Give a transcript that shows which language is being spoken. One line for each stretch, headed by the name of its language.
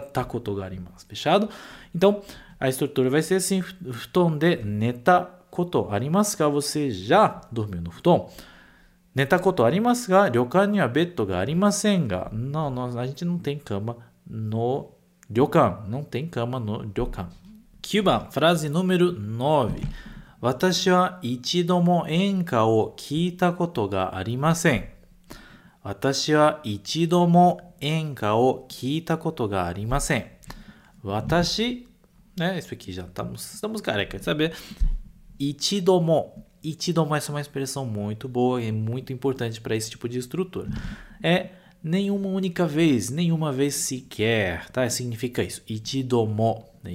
Japanese: Takotoga arimasu,
Portuguese: fechado? Então, a estrutura vai ser assim:
Japanese: futon de neta koto arimasu ga,
Portuguese: você já dormiu no futon?
Japanese: Neta koto arimasu ga, ryokan ni wa beddo ga arimasen ga.
Portuguese: Não, nós, a gente não tem cama no ryokan. Não tem cama no ryokan. Kyuban, frase número 9.
Japanese: 私は一度も演歌を聞いたことがありません。私は一度も演歌を聞いたことがありません。私、ね、
Portuguese: isso aqui já estamos careca de saber.
Japanese: 一度も、一度も、
Portuguese: essa é uma expressão muito boa e muito importante para esse tipo de estrutura. É nenhuma única vez, nenhuma vez sequer, tá? Significa isso. 一度も、né?